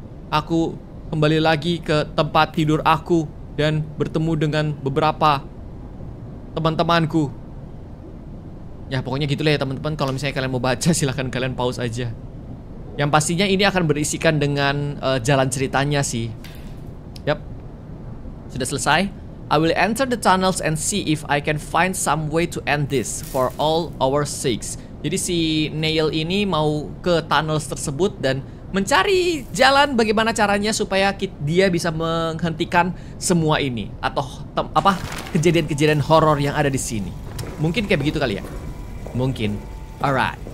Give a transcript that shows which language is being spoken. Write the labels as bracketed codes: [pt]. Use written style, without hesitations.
[id] Aku kembali lagi ke tempat tidur aku dan bertemu dengan beberapa teman-temanku. Ya, pokoknya gitulah ya, teman-teman. Kalau misalnya kalian mau baca, silahkan kalian pause aja. Yang pastinya ini akan berisikan dengan jalan ceritanya sih. Yap. Sudah selesai. [en] I will enter the tunnels and see if I can find some way to end this for all our sakes. [id] Jadi si Neil ini mau ke tunnels tersebut dan mencari jalan bagaimana caranya supaya dia bisa menghentikan semua ini atau kejadian-kejadian horor yang ada di sini. Mungkin kayak begitu kali ya. Mungkin. Alright.